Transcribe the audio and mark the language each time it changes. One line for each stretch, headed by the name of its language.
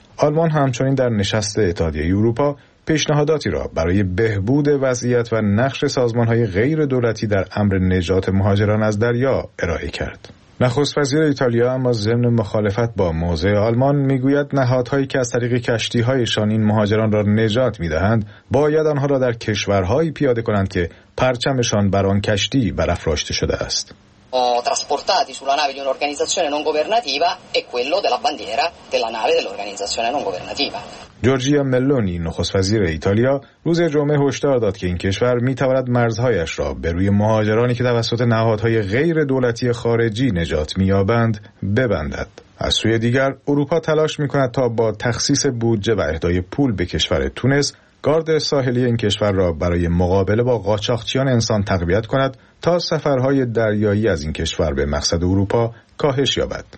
Persian: آلمان همچنین در نشست اتحادیه اروپا پیشنهاداتی را برای بهبود وضعیت و نقش سازمان‌های غیر دولتی در امر نجات مهاجران از دریا ارائه کرد. نخست وزیر ایتالیا اما ضمن مخالفت با موضع آلمان میگوید نهادهایی که از طریق کشتی‌هایشان این مهاجران را نجات می‌دهند، باید آنها را در کشورهایی پیاده کنند که پرچمشان بر آن کشتی برافراشته شده است.
Italian: O trasportati sulla nave di un'organizzazione non governativa è quello della bandiera della nave dell'organizzazione non governativa.
Persian: جورجیا ملونی، نخست وزیر ایتالیا، روز جمعه هشدار داد که این کشور میتواند مرزهایش را به روی مهاجرانی که توسط نهادهای غیر دولتی خارجی نجات مییابند ببندد. از سوی دیگر اروپا تلاش میکند تا با تخصیص بودجه و اهدای پول به کشور تونس، گارد ساحلی این کشور را برای مقابله با قاچاقچیان انسان تقویت کند تا سفرهای دریایی از این کشور به مقصد اروپا کاهش یابد.